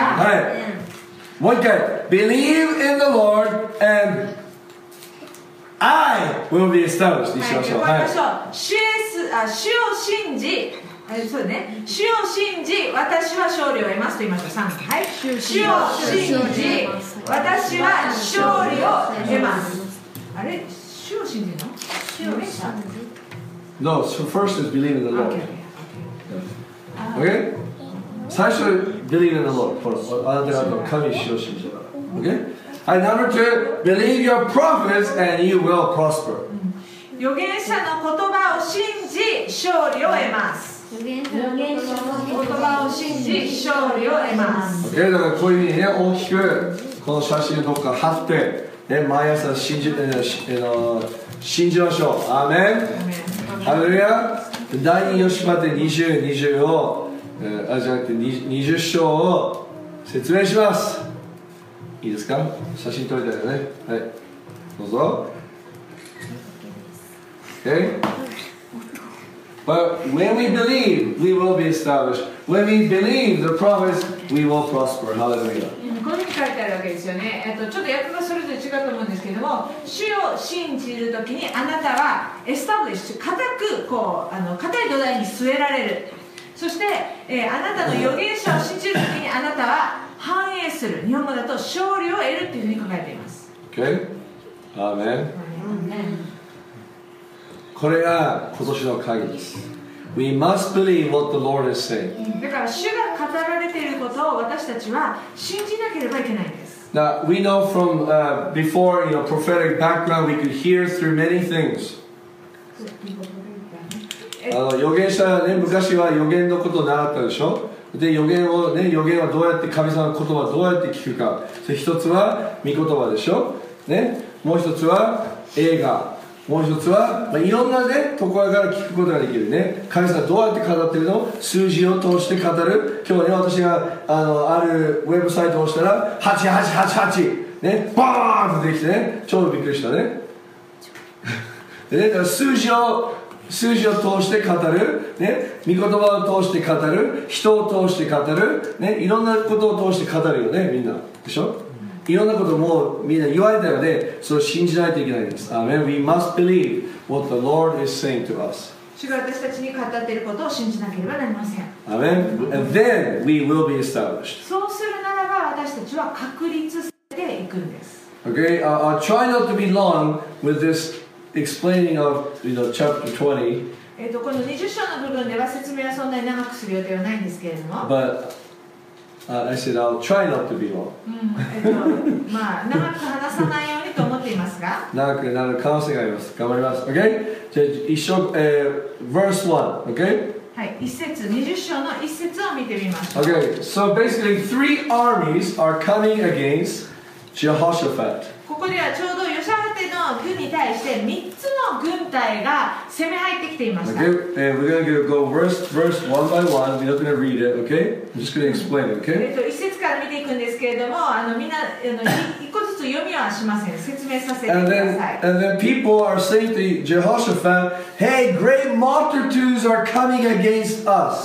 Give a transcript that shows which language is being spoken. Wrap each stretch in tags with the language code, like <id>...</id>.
<ja>はい、もう一回</ja> <en>Believe in the Lord and I will be established。</en> <ja>主を信じ、主を信じ、私は勝利を得ますと言いました。 3、はい、主を信じ、私は勝利を得ます。あれ、主を信じるの。主を信じた。</ja> <en>No, so first is believe in the Lord. OK? okay?</en> <ja>最初</ja> <en>believe in the Lord for,</en> <ja>あなた方の神、主を信じた。</ja> <en>OK? And number two, believe your prophets and you will prosper.</en> <ja>預言者の言葉を信じ、勝利を得ます。預言者の言葉を信じ、勝利を得ます。 OK、 だからこういうふうにね、大きくこの写真をどっか貼って、ね、毎朝信じ、信じましょう。アーメン。ハレルヤ。第二ヨシパテ20を、あ、じゃなくて20章を説明します。いいですか。写真撮りたいよね。はい、どうぞ。 OK、</ja> <en>But when we believe, we will be established. When we believe the promise, we will prosper. Hallelujah.</en> <ja>ここに書いてあるわけですよね。ちょっと訳がそれぞれ違うと思うんですけども、主を信じるときにあなたはエスタブリッシュ、固くこう固い土台に据えられる。そして、あなたの預言者を信じるときにあなたは繁栄する。日本語だと勝利を得るっていうふうに書かれています。</ja> <en>Okay. Amen.</en> <ja>これが今年の鍵です。</ja> <en>We must believe what the Lord is saying.</en> <ja>だから主が語られていることを私たちは信じなければいけないんです。</ja> <en>Now, we know from before, you know, prophetic background, we could hear through many things.</en> <ja>預言者ね、昔は預言のことを習ったでしょ。で、預言をね、預言はどうやって神様の言葉をどうやって聞くか。それ一つは御言葉でしょ。ね、もう一つは映画。もう一つは、まあ、いろんなねところから聞くことができるね。神様どうやって語ってるの？数字を通して語る。今日ね、私が あるウェブサイトを押したら8888ね、バーンとできてね、超びっくりしたね。でね、だから数字を通して語るね、御言葉を通して語る、人を通して語るね、いろんなことを通して語るよね、みんなでしょ。いろんなこともみんな言われたので、それを信じないといけないんです。</ja> <en>Amen. We must believe what the Lord is saying to us.</en> <ja>主が私たちに語っていることを信じなければなりません。</ja> <en>Amen. And then we will be established.</en> <ja>そうするならば私たちは確立されていくんです。</ja> <en>Okay. I'll try not to be long with this explaining of, you know, chapter 20.</en> <ja>この20章の部分では説明はそんなに長くする予定はないんですけれども。</ja> <en>But,I said I'll try not to be long.</en> <ja>まあ長く話さないようにと思っていますが。長くなる可能性があります。頑張ります。Okay? じゃあ一章、verse 1. Okay? はい、一節、二十章の一節を見てみましょう。</ja> <en>Okay. So basically, three armies are coming against Jehoshaphat.</en> <ja>ここではちょうどヨシャフテの軍に対して三つの軍隊が攻め入ってきていました。</ja> <en>Okay. And we're gonna go verse one by one. We're not gonna read it. Okay? I'm just going to explain it, okay?</en> <ja>一節から見ていくんですけれども、みんな一個ずつ読みはしません。説明させてください。</ja> <en>And then people are saying to Jehoshaphat, Hey, great multitudes are coming against us.、</en>